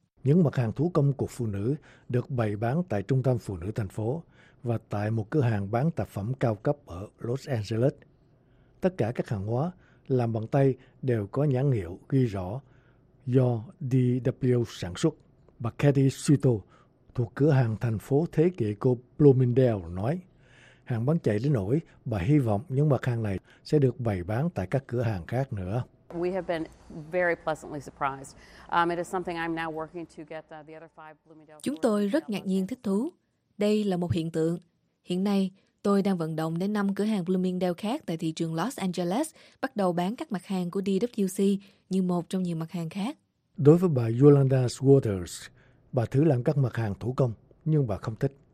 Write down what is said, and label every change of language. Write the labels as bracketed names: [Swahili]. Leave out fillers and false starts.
[Vietnamese] Những mặt hàng thủ công của phụ nữ được bày bán tại trung tâm phụ nữ thành phố và tại một cửa hàng bán tạp phẩm cao cấp ở Los Angeles. Tất cả các hàng hóa làm bằng tay đều có nhãn hiệu ghi rõ do DW sản xuất. Bà Katy Suto thuộc cửa hàng thành phố thế kỷ của Bloomingdale nói, hàng bán chạy đến nỗi bà hy vọng những mặt hàng này sẽ được bày bán tại các cửa hàng khác nữa. [English] We have been very pleasantly surprised. It is something I'm now working to get the other five Bloomingdale. [Vietnamese] Chúng tôi rất ngạc nhiên thích thú. Đây là một hiện tượng. Hiện nay tôi đang vận động đến 5 cửa hàng Bloomingdale khác tại thị trường Los Angeles bắt đầu bán các mặt hàng của DWC như một trong nhiều mặt hàng khác. Đối với bà Yolanda Waters, bà thử làm các mặt hàng thủ công nhưng bà không thích.